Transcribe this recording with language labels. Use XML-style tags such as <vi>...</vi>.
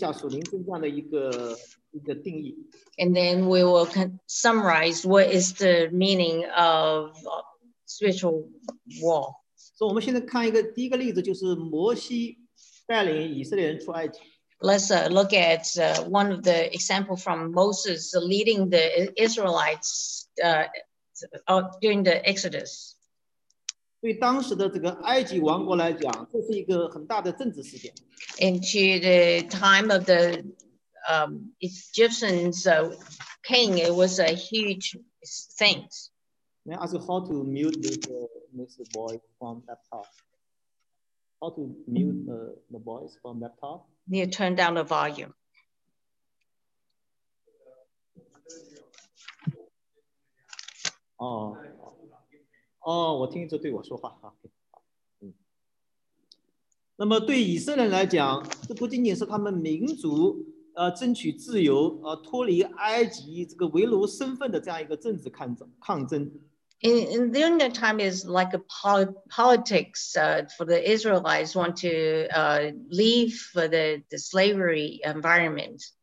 <zh>然后我们来总结一下属灵征战的一个定义。</zh> <en>And then we will summarize what is the meaning of spiritual war.</en> <zh>So, 我们现在看一个第一个例子，就是摩西带领以色列人出埃及。</zh> <en>Let's look at one of the example from Moses leading the Israelites during the Exodus.</en> <zh>对当时的这个埃及王国来讲，这是一个很大的政治事件。</zh> <en>Into the time of the Egyptians king, it was a huge thing. May I ask you how to mute this boy from laptop? How to mute the voice from laptop? You turn down the volume.</en> <zh>Oh, 我听着对我说话。那么对以色列人来讲，这不仅仅是他们民族争取自由，脱离埃及这个为奴身份的这样一个政治抗争。</zh> <en>In during that time, is like a politics for the Israelites want to leave for the slavery environment.</en>